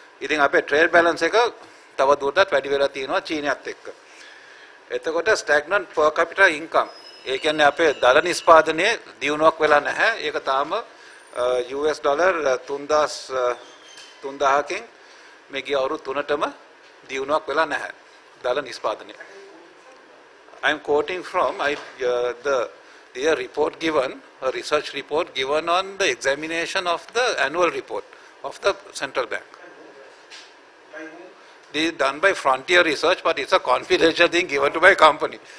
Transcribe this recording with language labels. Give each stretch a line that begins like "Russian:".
Sinhala: ඉතින් අපේ trade balance එක තව දුරටත් වැඩි වෙලා තියෙනවා චීනයත් එක්ක. එතකොට ස්ටැග්නන්ට් per capita income. ඒ කියන්නේ අපේ දළ නිෂ්පාදනයේ දියුණුවක් වෙලා නැහැ. ඒක තාම US ඩොලර් 3000කින් මේ ගිය අවුරුදු 3ටම දියුණුවක් වෙලා නැහැ දළ නිෂ්පාදනයේ.
English: I am quoting from the report given, a research report given on the examination of the annual report of the central bank. This is done by Frontier Research, but it's a confidential thing given to my company.